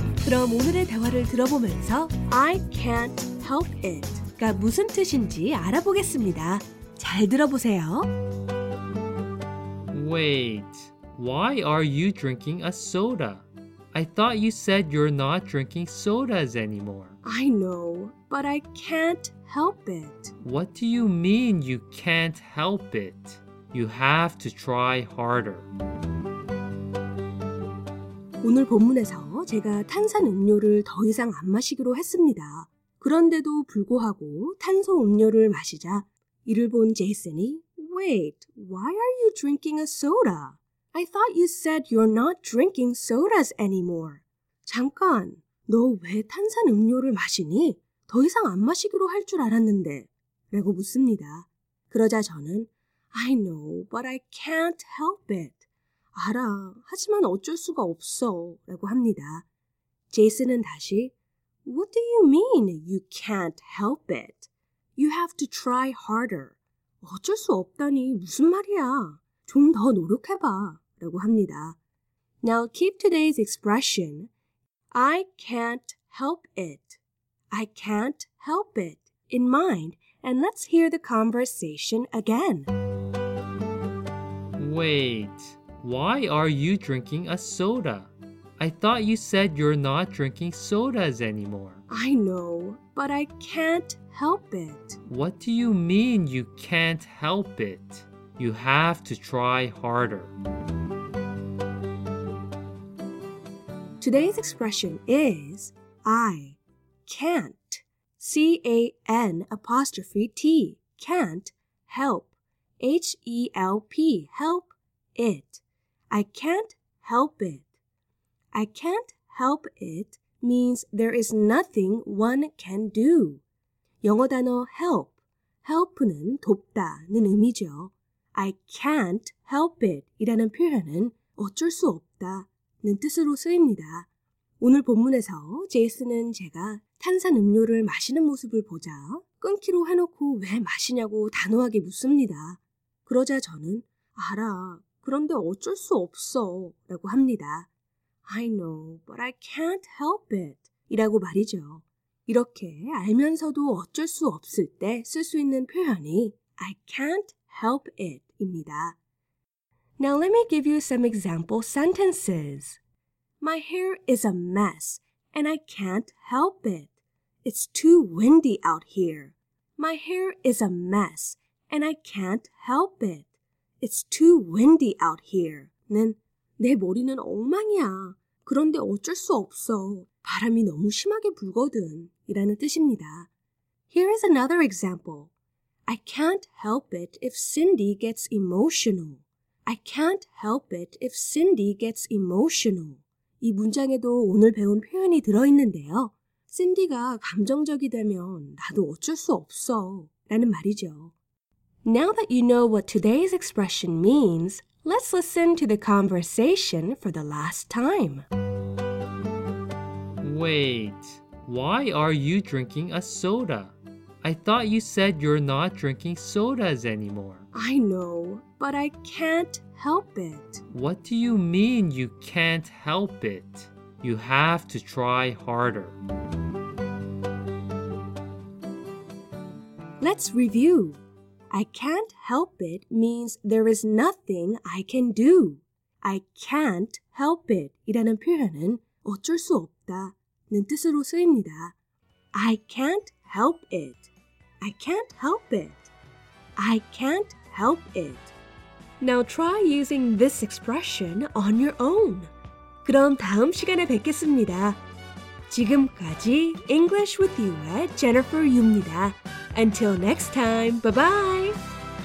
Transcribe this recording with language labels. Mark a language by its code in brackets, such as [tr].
[ko] 그럼 오늘의 대화를 들어보면서 [en] I can't help it [ko] 가 무슨 뜻인지 알아보겠습니다. 잘 들어보세요. [en] Wait, why are you drinking a soda? I thought you said you're not drinking sodas anymore. I know, but I can't help it. What do you mean you can't help it? You have to try harder. [ko] 오늘 본문에서 제가 탄산 음료를 더 이상 안 마시기로 했습니다. 그런데도 불구하고 탄소 음료를 마시자 이를 본 제이슨이 [en] Wait, why are you drinking a soda? I thought you said you're not drinking sodas anymore. [ko] 잠깐, 너 왜 탄산 음료를 마시니? 더 이상 안 마시기로 할 줄 알았는데. 라고 묻습니다. 그러자 저는 [en] I know, but I can't help it. [ko] 알아, 하지만 어쩔 수가 없어. 라고 합니다. 제이슨은 다시 [en] What do you mean you can't help it? You have to try harder. [ko] 어쩔 수 없다니 무슨 말이야? 좀 더 노력해봐. 라고 합니다. [en] Now keep today's expression. I can't help it. I can't help it. In mind, and let's hear the conversation again. Wait, why are you drinking a soda? I thought you said you're not drinking sodas anymore. I know, but I can't help it. What do you mean you can't help it? You have to try harder. Today's expression is I can't, C-A-N apostrophe T, can't help, H-E-L-P, help it. I can't help it. I can't help it means there is nothing one can do. [ko] 영어 단어 help, help는 돕다는 의미죠. [en] I can't help it [ko] 이라는 표현은 어쩔 수 없다는 뜻으로 쓰입니다. 오늘 본문에서 제이슨은 제가 탄산 음료를 마시는 모습을 보자 끊기로 해놓고 왜 마시냐고 단호하게 묻습니다. 그러자 저는 알아, 그런데 어쩔 수 없어 라고 합니다. [en] I know, but I can't help it [ko] 이라고 말이죠. 이렇게 알면서도 어쩔 수 없을 때 쓸 수 있는 표현이 [en] I can't help it [ko] 입니다. [en] Now let me give you some example sentences. My hair is a mess and I can't help it. It's too windy out here. My hair is a mess and I can't help it. It's too windy out here. [ko] 는 내 머리는 엉망이야. 그런데 어쩔 수 없어. 바람이 너무 심하게 불거든. 이라는 뜻입니다. [en] Here is another example. I can't help it if Cindy gets emotional. I can't help it if Cindy gets emotional. [ko] 이 문장에도 오늘 배운 표현이 들어있는데요. Cindy가 감정적이 되면 나도 어쩔 수 없어. 라는 말이죠. [en] Now that you know what today's expression means, let's listen to the conversation for the last time. Wait, why are you drinking a soda? I thought you said you're not drinking sodas anymore. I know, but I can't help it. What do you mean you can't help it? You have to try harder. Let's review. I can't help it means there is nothing I can do. I can't help it [ko] 이라는 표현은 어쩔 수 없다는 뜻으로 쓰입니다. [en] I can't help it. I can't help it. I can't help it. Now try using this expression on your own. [ko] 그럼 다음 시간에 뵙겠습니다. 지금까지 English with You의 Jennifer Yu입니다. [en] Until next time, bye-bye!